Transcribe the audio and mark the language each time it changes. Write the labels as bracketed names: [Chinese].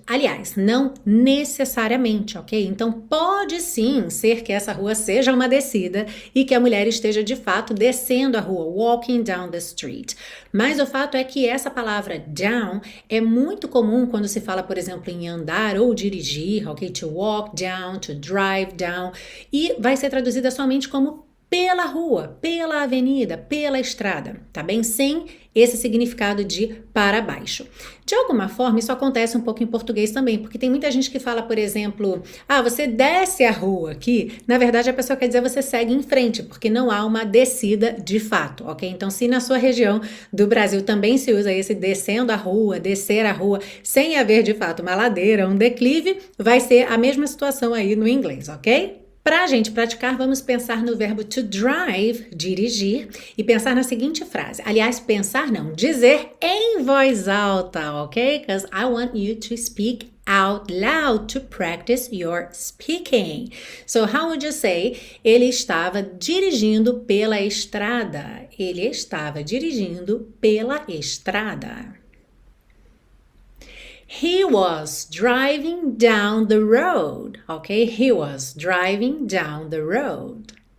[Portuguese] Aliás, não necessariamente, ok? Então, pode sim ser que essa rua seja uma descida e que a mulher esteja de fato descendo a rua, [English] walking down the street. [Portuguese] Mas o fato é que essa palavra down é muito comum quando se fala, por exemplo, em andar ou dirigir, ok? [English] To walk down, to drive down. [Portuguese] E vai ser traduzida somente como pela rua, pela avenida, pela estrada, tá bem? Sem esse significado de para baixo. De alguma forma, isso acontece um pouco em português também, porque tem muita gente que fala, por exemplo, ah, você desce a rua aqui. Na verdade, a pessoa quer dizer você segue em frente, porque não há uma descida de fato, ok? Então, se na sua região do Brasil também se usa esse descendo a rua, descer a rua, sem haver de fato uma ladeira, um declive, vai ser a mesma situação aí no inglês, ok? Para a gente praticar, vamos pensar no verbo to drive, dirigir, e pensar na seguinte frase. Aliás, pensar não, dizer em voz alta, ok? [English] Because I want you to speak out loud to practice your speaking. So, how would you say? [Portuguese] Ele estava dirigindo pela estrada. Ele estava dirigindo pela estrada. [English] He was driving down the road, ok? He was driving down the road.